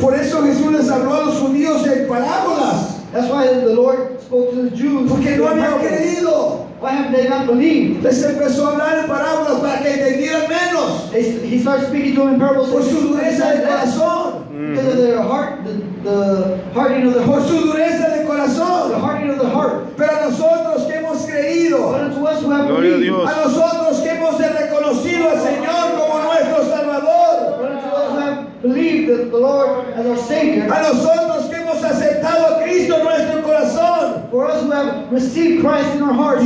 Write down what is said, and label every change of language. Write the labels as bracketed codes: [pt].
[es] Por eso Jesús les habló a los judíos en parábolas. [en] That's why the Lord spoke to the Jews. [es] Porque no habían creído. [en] Why have they not believed? [es] Les empezó a hablar en parábolas para que entendieran menos. [en] He started speaking to them in parables. [es] Por su dureza de corazón. [en] Because of their heart, the hardening of the heart. [es] Por su dureza de corazón. [en] The hardening of the heart. [es] Pero a nosotros que hemos creído. [en] But unto us who have believed. [es] Gloria a Dios. A nosotros que hemos reconocido al Señor como nuestro Salvador. [en] But unto us who have believed that the Lord as our Savior. [es] A nosotros que hemos aceptado a Cristo en nuestro corazón. [en] For us who have received Christ in our hearts.